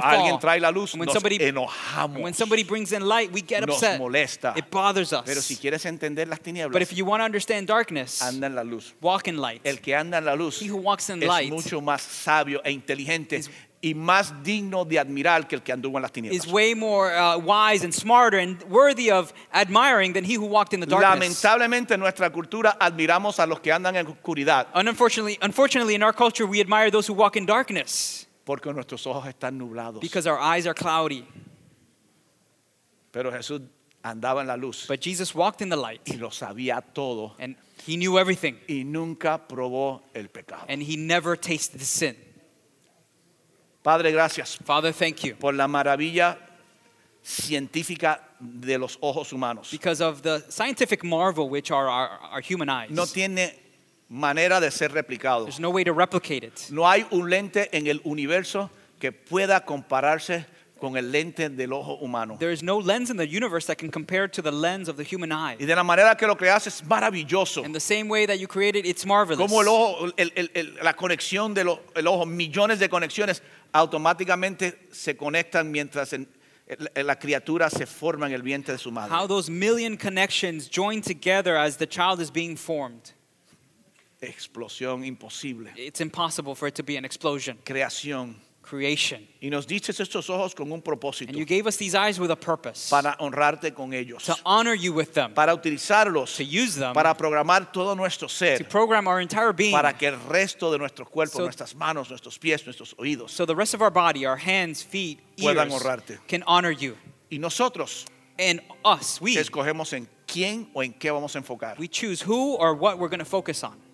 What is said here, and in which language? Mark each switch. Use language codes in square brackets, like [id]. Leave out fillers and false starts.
[es] Cuando alguien trae la luz, nos enojamos. [en] When somebody brings in light, we get [es] nos [en] upset. [es] Molesta. [en] It bothers us. [es] Pero si quieres entender las tinieblas, [en] but if you want to understand darkness, [es] anda en la luz. [en] Walk in light. [es] El que anda en la luz [en] he who walks in light [es] es mucho más sabio e inteligente y más digno de admirar que el que anduvo en las tinieblas. [en] Is way more wise and smarter and worthy of admiring than he who walked in the darkness. [es] Lamentablemente en nuestra cultura admiramos a los que andan en oscuridad. [en] Unfortunately in our culture we admire those who walk in darkness. [es] Porque nuestros ojos están nublados. [en] Because our eyes are cloudy. [es] Pero Jesús andaba en la luz. [en] But Jesus walked in the light. [es] Y lo sabía todo. [en] And he knew everything. [es] Y nunca probó el pecado. [en] And he never tasted the sin. [es] Padre, gracias. [en] Father, thank you. [es] Por la maravilla científica de los ojos humanos. [en] Because of the scientific marvel which are our human eyes. [es] No tiene manera de ser replicado. [en] There's no way to replicate it. [es] No hay un lente en el universo que pueda compararse con el lente del ojo humano. [en] There is no lens in the universe that can compare to the lens of the human eye. [es] Y de la manera que lo creaste es maravilloso. [en] In the same way that you created, it's marvelous. [es] Como el ojo, la conexión de el ojo, millones de conexiones automáticamente se conectan mientras la criatura se forma en el vientre de su madre. [en] How those million connections join together as the child is being formed. [es] Explosión imposible. [en] It's impossible for it to be an explosion. [es] Creación. [en] Creation. [es] Y nos diste estos ojos con un propósito. [en] And you gave us these eyes with a purpose. [es] Para honrarte con ellos. [en] To honor you with them. [es] Para utilizarlos. [en] To use them. [es] Para programar todo nuestro ser. [en] To program our entire being. [es] Para que el resto de nuestro cuerpo, so, nuestras manos, nuestros pies, nuestros oídos. [en] So the rest of our body, our hands, feet, ears. [es] Puedan honrarte. [en] Can honor you. [es] Y nosotros. [en] And us, we. [es] Escogemos en quién o en qué vamos a enfocar. [en] We choose who or what we're going to focus on.